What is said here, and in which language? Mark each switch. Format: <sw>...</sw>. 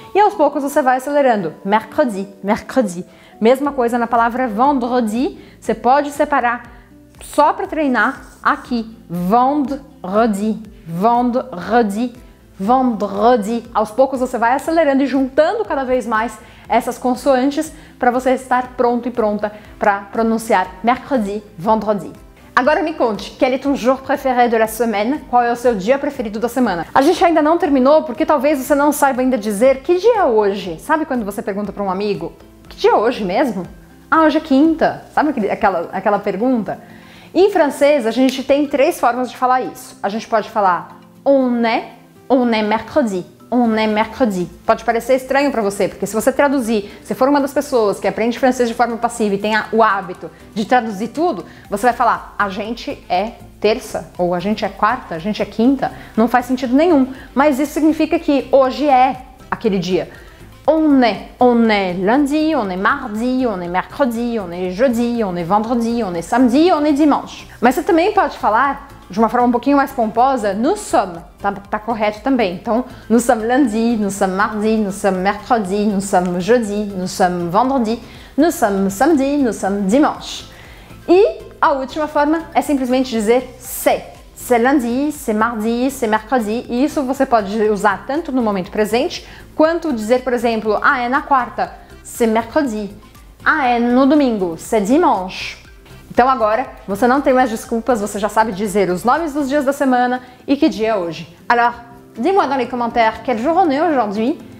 <pt>E aos poucos você vai acelerando. Mercredi, mercredi. Mesma coisa na palavra vendredi, você pode separar só para treinar aqui.</pt> <fr>Vendredi, vendredi, vendredi.</fr> <pt>Aos poucos você vai acelerando e juntando cada vez mais essas consoantes para você estar pronto e pronta para pronunciar mercredi, vendredi. Agora me conte,</pt> <fr>quel est ton jour préféré de la semaine?</fr> <pt>Qual é o seu dia preferido da semana? A gente ainda não terminou porque talvez você não saiba ainda dizer que dia é hoje. Sabe quando você pergunta para um amigo? Que dia é hoje mesmo? Ah, hoje é quinta. Sabe aquela pergunta? Em francês, a gente tem três formas de falar isso. A gente pode falar</pt> <fr>on est mercredi. On est mercredi.</fr> <pt>Pode parecer estranho para você, porque se você traduzir, se for uma das pessoas que aprende francês de forma passiva e tem o hábito de traduzir tudo, você vai falar, a gente é terça, ou a gente é quarta, a gente é quinta. Não faz sentido nenhum. Mas isso significa que hoje é aquele dia.</pt> <fr>On est lundi, on est mardi, on est mercredi, on est jeudi, on est vendredi, on est samedi, on est dimanche.</fr> <pt>Mas você também pode falar de uma forma um pouquinho mais pomposa,</pt> <fr>nous sommes,</fr> <pt>tá correto também. Então,</pt> <fr>nous sommes lundi, nous sommes mardi, nous sommes mercredi, nous sommes jeudi, nous sommes vendredi, nous sommes samedi, nous sommes dimanche.</fr> <pt>E a última forma é simplesmente dizer</pt> <fr>c'est. C'est lundi, c'est mardi, c'est mercredi.</fr> <pt>E isso você pode usar tanto no momento presente, quanto dizer, por exemplo, ah, é na quarta,</pt> <fr>c'est mercredi.</fr> <pt>Ah, é no domingo,</pt> <fr>c'est dimanche.</fr> <pt>Então agora, você não tem mais desculpas, você já sabe dizer os nomes dos dias da semana e que dia é hoje.</pt> <fr>Alors, dis-moi dans les commentaires, quel jour on est aujourd'hui?</fr>